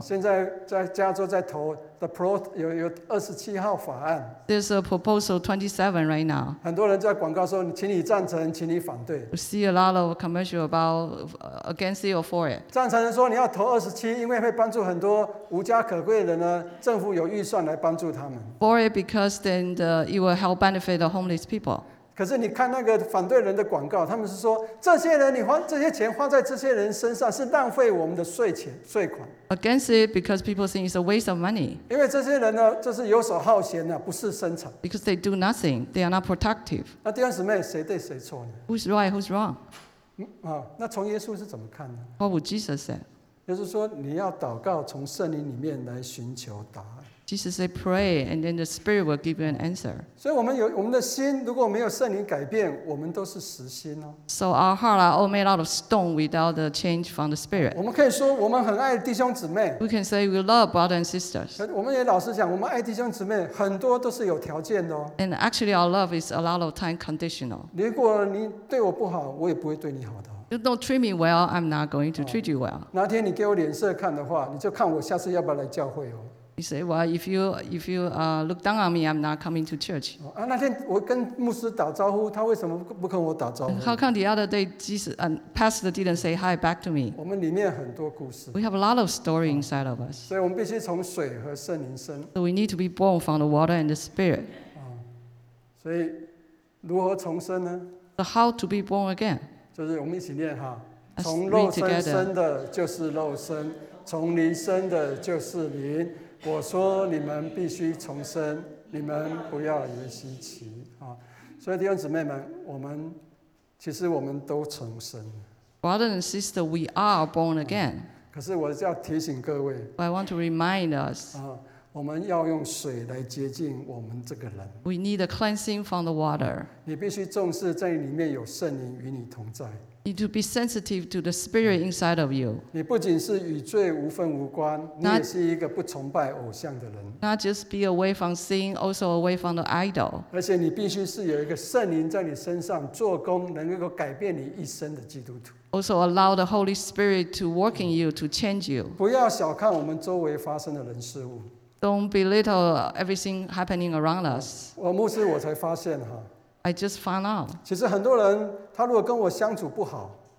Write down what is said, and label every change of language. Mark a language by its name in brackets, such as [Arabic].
[Chinese] 现在在加州在投 [English] the pro [Chinese] 有27号法案。 [English] There's a proposal 27 right now. [Chinese] 很多人在广告说，请你赞成，请你反对。 [English] We see a lot of commercial about against it or for it. [Chinese] 赞成人说你要投27，因为会帮助很多。无家可归的人呢，政府有预算来帮助他们。 [English] For it because then the, it will help benefit the homeless people. [Chinese] 可是你看那个反对人的广告，他们是说这些人你花这些钱花在这些人身上是浪费我们的税钱税款。 [English] Against it because people think it's a waste of money. [Chinese] 因为这些人呢，就是游手好闲的、啊，不是生产。 [English] Because they do nothing, they are not productive. [Chinese] 那弟兄姊妹，谁对谁错呢 [English] ？Who's right, who's wrong?、 [Chinese] 哦、那从耶稣是怎么看呢 [English] ？What would Jesus say? [Chinese] 就是说，你要祷告，从圣灵里面来寻求答案。 [English] Jesus said, "Pray, and then the Spirit will give you an answer." [Chinese] 所以，我们有我们的心，如果没有圣灵改变，我们都是石心哦。 [English] So our heart are all made out of stone without the change from the Spirit. [Chinese] 我们可以说，我们很爱弟兄姊妹。 [English] We can say we love brothers and sisters. [Chinese] 我们也老实讲，我们爱弟兄姊妹，很多都是有条件的哦。 [English] And actually, our love is a lot of time conditional. [Chinese] 如果你对我不好，我也不会对你好的。 [English] You don't treat me well, I'm not going to treat you well. [Chinese] 哪天你给我脸色看的话，你就看我下次要不要来教会哦。 [English] He said, "Well, if you look down on me, I'm not coming to church." [Chinese] 啊，那天我跟牧师打招呼，他为什么不跟我打招呼 [English] ？How come the other day, Jesus, Pastor didn't say hi back to me? [Chinese] 我们里面很多故事。 [English] We have a lot of story inside of us. [Chinese] 所以我们必须从水和圣灵生。 [English] So we need to be born from the water and the spirit. [Chinese] 所以如何重生呢 [English] ？So how to be born again? [Chinese] 就是我们一起念哈，从肉身生的就是肉身，从灵生的就是灵。我说你们必须重生，你们不要以为稀奇啊！所以弟兄姊妹们，我们其实我们都重生。 [English] Brother and sister, we are born again. [Chinese] 可是我要提醒各位 [English] ，I want to remind us. [Chinese] 我们要用水来洁净我们这个人。 [English] We need a cleansing from the water. [Chinese] 你必须重视在里面有圣灵与你同在。 [English] You need to be sensitive to the spirit inside of you. [Chinese] 你不仅是与罪无分无关，你也是一个不崇拜偶像的人。 [English] Not just be away from sin, also away from the idol. [Chinese] 而且你必须是有一个圣灵在你身上做工，能够改变你一生的基督徒。 [English] Also allow the Holy Spirit to work in you to change you. [Chinese] 不要小看我们周围发生的人事物。 [English] Don't belittle everything happening around us. [Chinese] 我牧师我才发现哈。 [English] I just found out. [Chinese] 其实很多人，他如果跟我相处不好